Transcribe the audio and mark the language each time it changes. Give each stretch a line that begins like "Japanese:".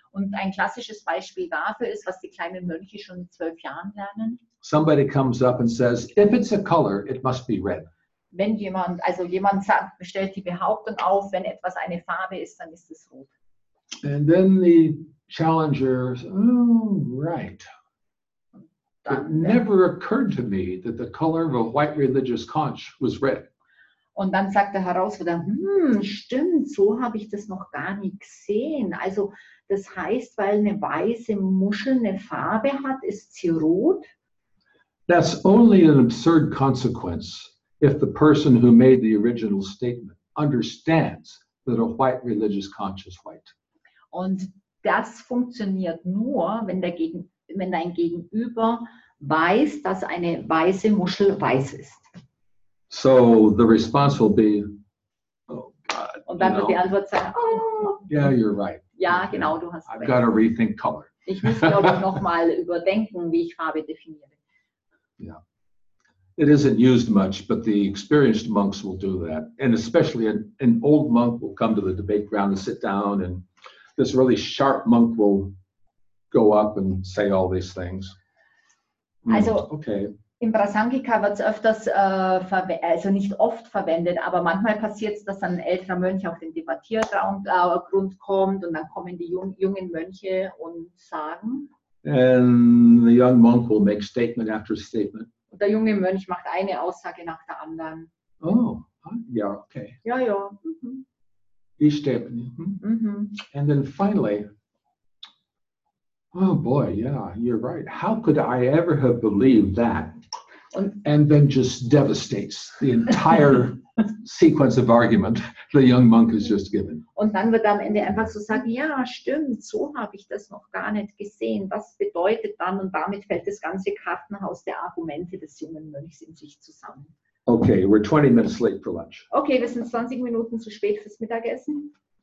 German: Und ein klassisches Beispiel dafür ist, was die kleinen Mönche schon in 12 Jahren lernen.
English: Somebody comes up and says, if it's a color, it must be red.
German: Wenn jemand, also jemand sagt, stellt die Behauptung auf, wenn etwas eine Farbe ist, dann ist es rot.
English: And then the challenger says, oh, right. It never occurred to me that the color of a white religious conch was red.
German: Und dann sagt der Herausforderer, stimmt, so habe ich das noch gar nicht gesehen. Also das heißt, weil eine weiße Muschel eine Farbe hat, ist sie rot?
English: That's only an absurd consequence if the person who made the original statement understands that a white religious conch is white.
German: Und das funktioniert nur, wenn dein Gegenüber weiß, dass eine weiße Muschel weiß ist.
English: So the response will be, oh God.
German: Und dann wird die Antwort sein, oh.
English: Yeah, you're right.
German: Ja, genau, du hast recht.
English: I've got to rethink color.
German: Ich muss, glaube ich, nochmal überdenken, wie ich Farbe definiere.
English: Yeah. It isn't used much, but the experienced monks will do that. And especially an old monk will come to the debate ground and sit down, and this really sharp monk will go up and say all these things.
German: Also, okay. In Prasangika wird es öfters, also nicht oft verwendet, aber manchmal passiert es, dass dann ein älterer Mönch auf den Debattiergrund kommt und dann kommen die jungen Mönche und sagen.
English: And the young monk will make statement after statement.
German: Und der junge Mönch macht eine Aussage nach der anderen. Oh, ja, okay. Ja, ja. Mhm. Die Statement. Mhm. Mhm.
English: And then finally, oh boy, yeah, you're right. How could I ever have believed that? And then just devastates the entire sequence of argument the young monk has just given.
German: Und dann wird am Ende einfach so sagen, ja, stimmt, so habe ich das noch gar nicht gesehen. Was bedeutet dann? Und damit fällt das ganze Kartenhaus der Argumente des jungen Mönchs in sich zusammen.
English: Okay, we're 20 minutes late for lunch.
German: Okay, wir sind 20 Minuten zu spät fürs Mittagessen.